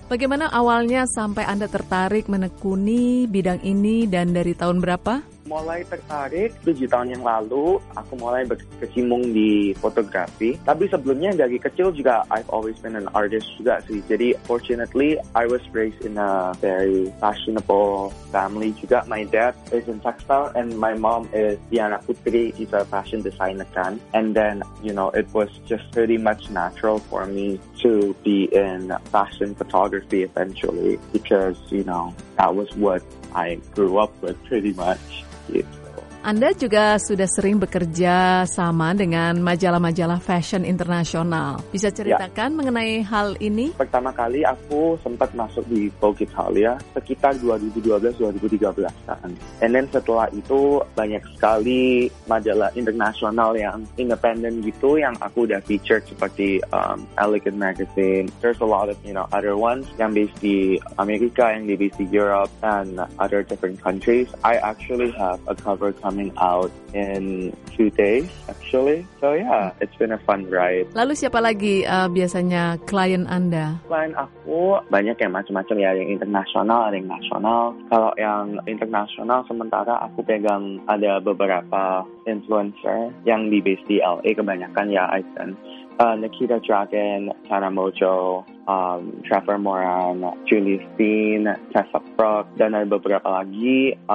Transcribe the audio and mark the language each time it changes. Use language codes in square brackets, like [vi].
[id] Bagaimana awalnya sampai Anda tertarik menekuni bidang ini dan dari tahun berapa? Mulai tertarik 7 tahun yang lalu, aku mulai berkecimpung di fotografi. Tapi sebelumnya dari kecil juga [en] I've always been an artist [id] juga sih. [en] Jadi fortunately I was raised in a very fashionable family juga. My dad is in textile and my mom is Diana Putri. She's a fashion designer kan. And then you know it was just pretty much natural for me to be in fashion photography eventually, because you know that was what I grew up with pretty much. [id] Anda juga sudah sering bekerja sama dengan majalah-majalah fashion internasional. Bisa ceritakan mengenai hal ini? Pertama kali aku sempat masuk di Vogue Italia sekitar 2012-2013 kan. [en] And then [id] setelah itu banyak sekali majalah internasional yang independent gitu yang aku udah featured seperti Elegant Magazine. [en] There's a lot of you know other ones [id] yang based di Amerika, yang based di Europe [en] and other different countries. I actually have a cover coming out in 2 days actually. So yeah, it's been a fun ride. [id] Lalu siapa lagi biasanya klien Anda? Klien aku banyak yang macam-macam ya, yang internasional, ada yang nasional. Kalau yang internasional sementara aku pegang ada beberapa influencer yang di base di LA kebanyakan ya, [en] I've been [id] Nikita Dragon, Tana Mojo, Trevor Moran, Julie Steen, Tessa Brock, dan ada beberapa lagi.